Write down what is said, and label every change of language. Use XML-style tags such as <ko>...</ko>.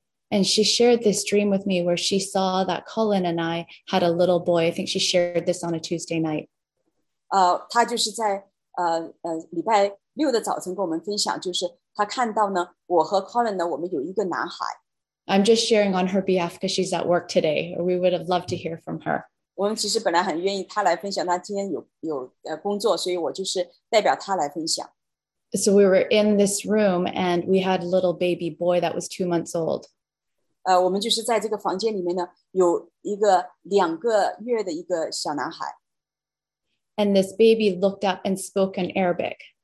<en>And she shared this dream with me where she saw that Colin and I had a little boy. I think she shared this on a Tuesday night.</en> <zh>她就是在礼拜六的早晨跟我们分享，就是她看到呢，我和Colin呢，我们有一个男孩。</zh> <en>I'm just sharing on her behalf because she's at work today. We would have loved to hear from her.</en> <zh>我们其实本来很愿意她来分享，她今天有工作，所以我就是代表她来分享。</zh> <en>So we were in this room and we had a little baby boy that was 2 months old.</en> <zh>我们就是在这个房间里面呢，有一个2个月的一个小男孩。</zh> <en>And this baby looked up and spoke in Arabic.</en>